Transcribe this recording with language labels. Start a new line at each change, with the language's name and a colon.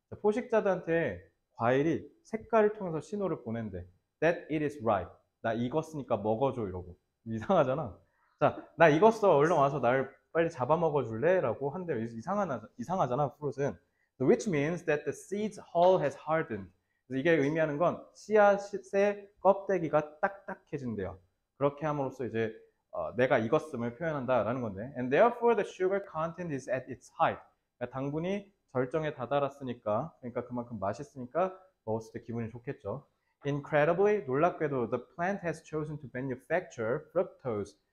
Korean: 포식자들한테 과일이 색깔을 통해서 신호를 보낸대.
English: That it is ripe.
Korean: 나 익었으니까 먹어줘 이러고. 이상하잖아. 자, 나 익었어. 얼른 와서 날 빨리 잡아먹어줄래? 라고 한대요. 이상하잖아, fruit은.
English: Which means that the seed's hull has hardened.
Korean: 이게 의미하는 건 씨앗의 껍데기가 딱딱해진대요. 그렇게 함으로써 이제 내가 익었음을 표현한다라는 건데.
English: And therefore the sugar content is at its height.
Korean: 그러니까 당분이 절정에 다다랐으니까, 그러니까 그만큼 맛있으니까 먹었을 때 기분이 좋겠죠.
English: Incredibly,
Korean: 놀랍게도
English: the plant has chosen to manufacture fructose.